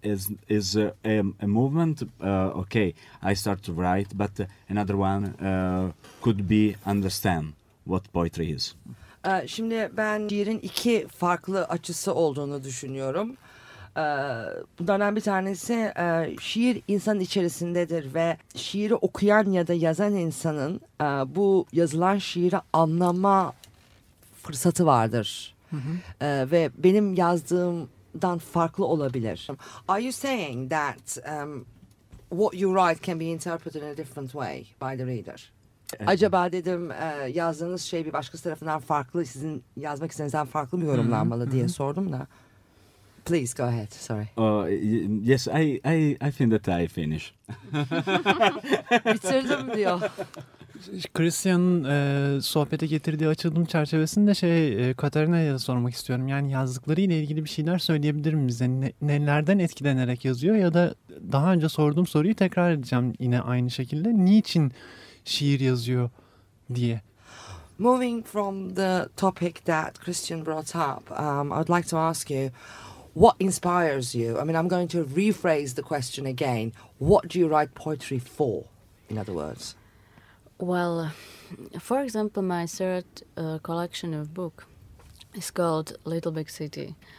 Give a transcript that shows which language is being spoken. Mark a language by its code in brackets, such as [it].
[en] Is a movement. Okay, I start to write, but another one could be understand what poetry is. [tr] Şimdi ben şiirin iki farklı açısı olduğunu düşünüyorum. Bunlardan bir tanesi şiir insanın içerisindedir ve şiiri okuyan ya da yazan insanın bu yazılan şiiri anlama fırsatı vardır. Ve benim yazdığımdan farklı olabilir. [en] Are you saying that what you write can be interpreted in a different way by the reader? [tr] Acaba dedim yazdığınız şey bir başkası tarafından farklı, sizin yazmak istediğinizden farklı mı yorumlanmalı diye sordum da. [en] Please go ahead. Sorry. Yes, I think that I finish. [tr] Bitirdim diyor. Christian'ın sohbete getirdiği açılım çerçevesinde Katarina'ya da sormak istiyorum. Yani yazdıklarıyla ilgili bir şeyler söyleyebilir miyim bize? Nelerden etkilenerek yazıyor ya da daha önce sorduğum soruyu tekrar edeceğim yine aynı şekilde. Niçin şiir yazıyor diye? [en] Moving from the topic that Christian brought up, I'd like to ask you, what inspires you? I mean, I'm going to rephrase the question again. What do you write poetry for, in other words? Well, for example, my third collection of book is called Little Big City.